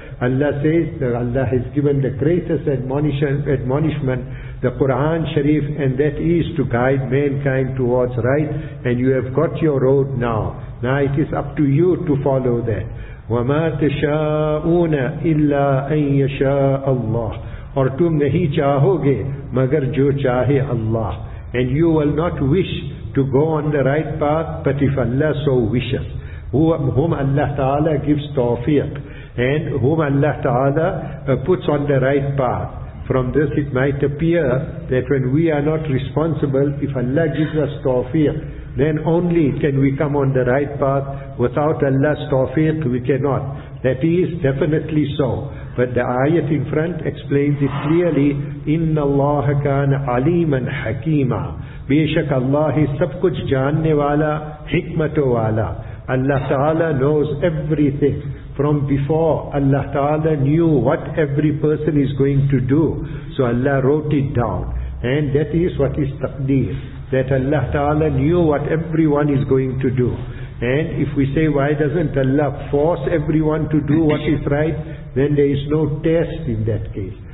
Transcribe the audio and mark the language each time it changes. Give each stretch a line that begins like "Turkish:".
English: Allah says that Allah has given the greatest admonishment, the Quran Sharif, and that is to guide mankind towards right, and you have got your road now. Now it is up to you to follow that.
Arabic: وَمَا تَشَاءُونَ إِلَّا أَن يَشَاءَ اللَّهِ.
Urdu: اور تم نہیں چاہو گے مگر جو چاہے اللہ.
English: And you will not wish to go on the right path, but if Allah so wishes, whom Allah Ta'ala gives tawfiq, and whom Allah Ta'ala puts on the right path. From this it might appear that when we are not responsible, if Allah gives us tawfiq, then only can we come on the right path. Without Allah's tawfiq, we cannot. That is definitely so. But the ayat in front explains it clearly.
Arabic: إِنَّ اللَّهَ كَانَ عَلِيمًا حَكِيمًا.
Urdu: بے شک اللہ ہی سب کچھ جاننے والا حکمت والا.
English: Allah Ta'ala knows everything. From before, Allah Ta'ala knew what every person is going to do. So Allah wrote it down. And that is what is taqdeer. That Allah Ta'ala knew what everyone is going to do. And if we say, why doesn't Allah force everyone to do what is right, then there is no test in that case.